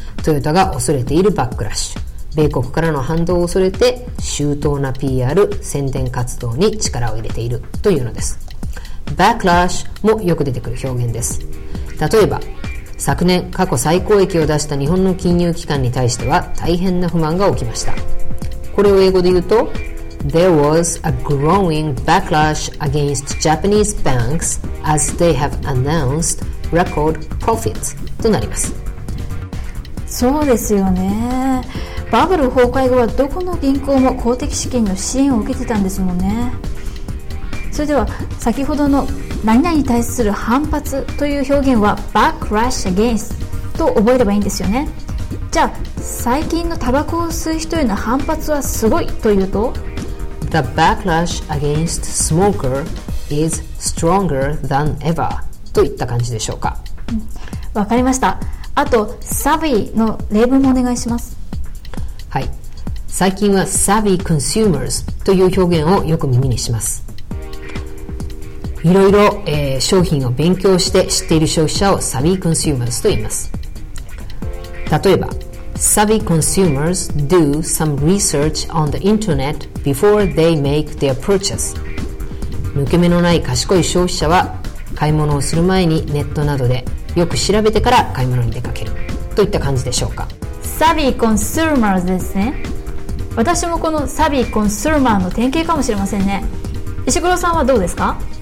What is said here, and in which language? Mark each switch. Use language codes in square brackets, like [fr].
[ja] トヨタが恐れているバックラッシュ。米国からの反動を恐れて、周到な PR、宣伝活動に力を入れているというのです。 Backlash もよく出てくる表現です。例えば、昨年過去最高益を出した日本の金融機関に対しては大変な不満が起きました。これを英語で言うと、 [en] There was a growing backlash against Japanese banks as they have announced record profits [ja] となります。そうですよね。バブル崩壊後はどこの銀行も公的資金の支援を受けてたんですもんね。それでは先ほどの何々に対する反発という表現は backlash against と覚えればいいんですよね。じゃあ最近のタバコを吸う人への反発はすごいというと、 [en] The backlash against smoker is stronger than ever [ja] といった感じでしょうか。わかりました。あと savvy の例文もお願いします。はい、最近は savvy consumers という表現をよく耳にします。いろいろ、商品を勉強して知っている消費者を savvy consumers と言います。例えば、 [en] Savvy consumers do some research on the internet before they make their purchase. [ja] 抜け目のない賢い消費者は、買い物をする前にネットなどでよく調べてから買い物に出かける。といった感じでしょうか。 Savvy consumers ですね。私もこの Savvy consumer の典型かもしれませんね。石黒さんはどうですか？